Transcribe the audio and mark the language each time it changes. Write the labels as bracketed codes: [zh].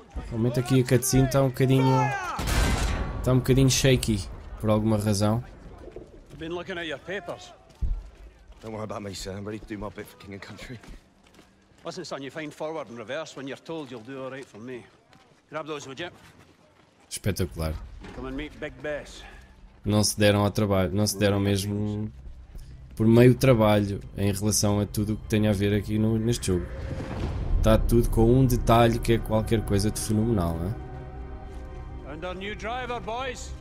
[pt] Realmente aqui a cutscene está um bocadinho. Está um bocadinho shaky, por alguma razão. [en] I've been looking at your papers. Don't worry about me, sir. I'm ready to do my bit for King and Country. Listen, son, you find forward and reverse when you're told you'll do all right for me. Grab those, would you? [pt] Espetacular. [en] Come and meet Big Bess. [pt] Não se deram ao trabalho, não se deram mesmo por meio trabalho em relação a tudo o que tem a ver aqui no, neste jogo. Está tudo com um detalhe que é qualquer coisa de fenomenal, não é?